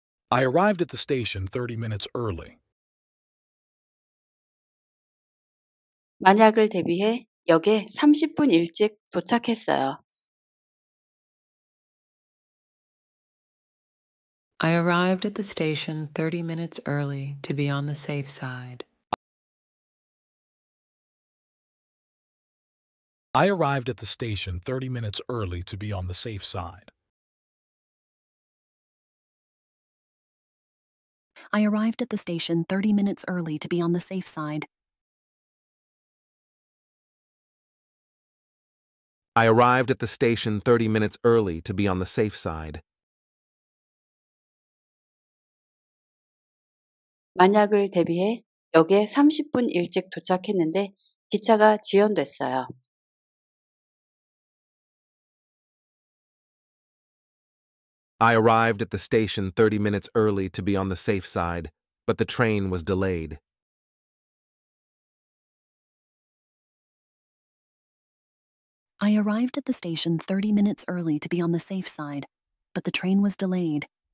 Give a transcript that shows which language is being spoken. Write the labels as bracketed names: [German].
[English] I arrived at the station 30 minutes early. [Korean] 만약을 대비해 역에 30분 일찍 도착했어요. [English] I arrived at the station 30 minutes early to be on the safe side. I arrived at the station 30 minutes early to be on the safe side. I arrived at the station 30 minutes early to be on the safe side. I arrived at the station 30 minutes early to be on the safe side. [Korean] 만약을 대비해 역에 30분 일찍 도착했는데 기차가 지연됐어요. [English] I arrived at the station 30 minutes early to be on the safe side, but the train was delayed. I arrived at the station 30 minutes early to be on the safe side, but the train was delayed.